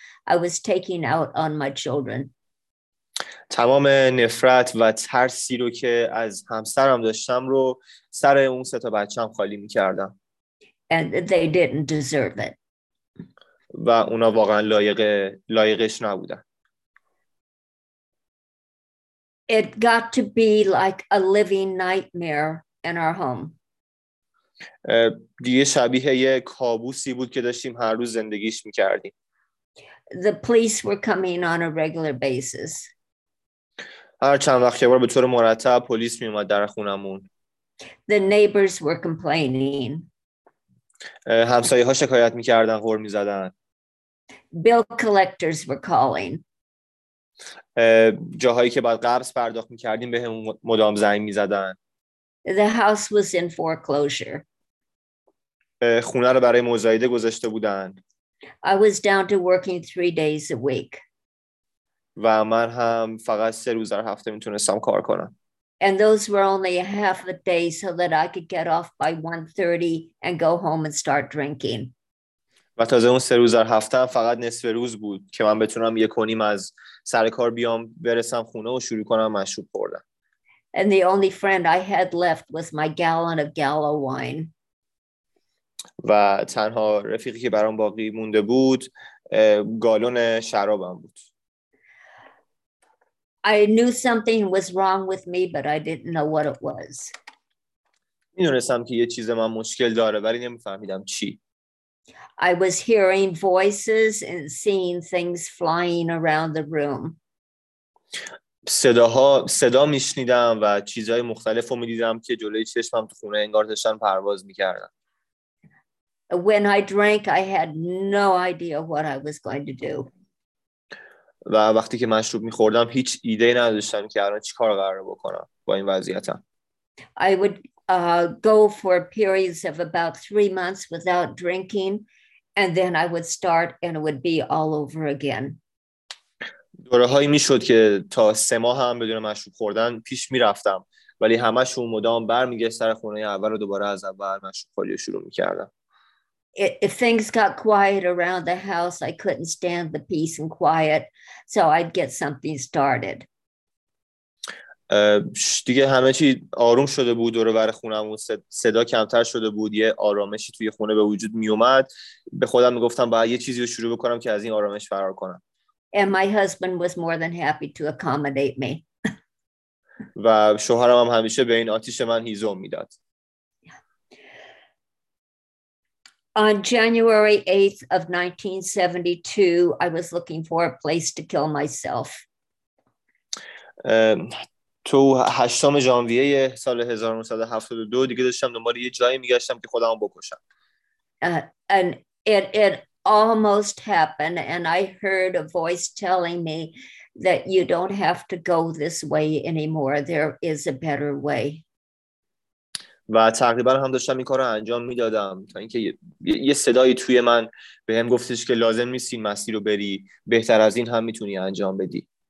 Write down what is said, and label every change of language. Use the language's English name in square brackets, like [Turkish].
[English] I was taking out on my children. [Persian] تمام نفرت و ترسی رو که از همسرم داشتم رو سر اون سه تا بچه‌ام خالی می‌کردم. [English] And they didn't deserve it. [Persian] و اونا واقعا لایقش نبودن. [English] It got to be like a living nightmare in our home. [Persian] دیگه شبیه یه کابوسی بود که داشتیم هر روز زندگیش می‌کردیم. [English] The police were coming on a regular basis. [Persian] هر چند وقت یه بار به طور مرتب پلیس می اومد در خونمون. [English] The neighbors were complaining. [Persian] همسایه ها شکایت می کردن، غر می زدن. [English] Bill collectors were calling. [Persian] جاهایی که بعد قبض پرداخت می کردیم به همون مدام زنگ می زدن. [English] The house was in foreclosure. [Persian] خونه رو برای مزایده گذاشته بودن. [English] I was down to working 3 days a week. [Persian] و من هم فقط 3 روز در هفته میتونستم کار کنم. [English] And those were only a half a day so that I could get off by 1:30 and go home and start drinking. [Persian] و تازه اون 3 روز در هفته فقط نصف روز بود که من بتونم 1:30 از سر کار بیام برسم خونه و شروع کنم مشروب خوردن. [English] And the only friend I had left was my gallon of Gallo wine. [Persian] و تنها رفیقی که برام باقی مونده بود گالون شرابم بود. [English] I knew something was wrong with me, but I didn't know what it was. [Persian] می‌دونستم که یه چیز من مشکل داره ولی نمی‌فهمیدم چی. [English] I was hearing voices and seeing things flying around the room. [Persian] صدا می‌شنیدم و چیزهای مختلفو می‌دیدم که جلوی چشمم تو خونه انگار داشتن پرواز می‌کردن. [English] When I drank, I had no idea what I was going to do. [Persian] و وقتی که مشروب می‌خوردم هیچ ایده‌ای نداشتم که الان چیکار قراره بکنم با این وضعیتم. [English] I would go for periods of about 3 months without drinking and then I would start and it would be all over again. [Persian] دوره‌هایی می‌شد که تا 3 ماه هم بدون مشروب خوردن پیش می‌رفتم ولی همه‌شون مدام برمیگشت سر خونه اول و دوباره از اول مشروب خوری شروع می‌کردم. [English] If things got quiet around the house, I couldn't stand the peace and quiet, so I'd get something started. [Persian] دیگه همه چی آروم شده بود دور و بر خونم و صدا کمتر شده بود، یه آرامشی توی خونه به وجود می اومد، به خودم می گفتم باید یه چیزی رو شروع بکنم که از این آرامش فرار کنم. [English] And my husband was more than happy to accommodate me. [Persian] و شوهرم هم همیشه به این آتیش من هیزم می داد. [English] On January 8th of 1972, I was looking for a place to kill myself. [Persian] تو 8 ژانویه سال 1972 دیگه داشتم دوباره یه جایی میگشتم که خودمو بکشم. [English] And it almost happened and I heard a voice telling me that you don't have to go this way anymore. There is a better way. [Persian] و تقریبا هم داشتم این کار رو انجام میدادم تا اینکه یه صدایی توی من به هم گفتش که لازم نیست این مسیر رو بری، بهتر از این هم میتونی انجام بدی.